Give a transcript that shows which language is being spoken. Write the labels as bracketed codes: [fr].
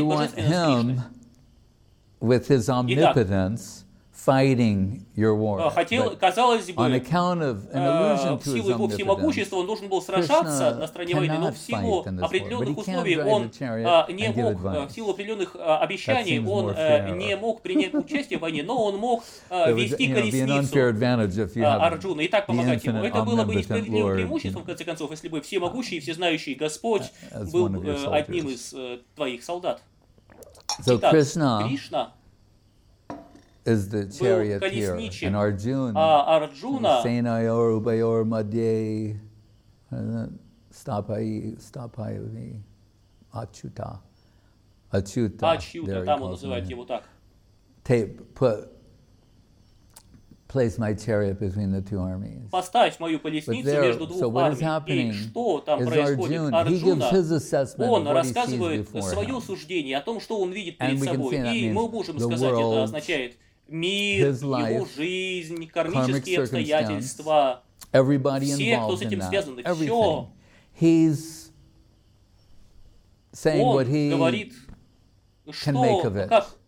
[en] you want him with his omnipotence fighting your war. [ru] Хотел, казалось бы, [en] on account of an allusion to [ru] силу его всемогущества он должен был сражаться на стороне войны, но в силу определенных условий он не мог, в силу определенных обещаний он не мог принять участие в войне, но он мог вести колесницу Арджуны и так помогать ему. Это было бы несправедливым преимуществом, в конце концов, если бы всемогущий и всезнающий Господь был одним из твоих солдат. Итак, Кришна [en] is the chariot here, and Arjuna, [sa] Senayor Ubayor Madhye, Stapayavi, Achyuta, Achyuta, [en] there he calls him. Tape, put, place my chariot between the two armies. [ru] Поставь мою колесницу между двух армий. [en] So what is happening? [ru] И что там происходит? Арджуна, он рассказывает свое суждение о том, что он видит перед собой. И мы можем сказать, это означает мир, его жизнь, кармические обстоятельства, все, кто с этим связан, все. Он говорит, что, как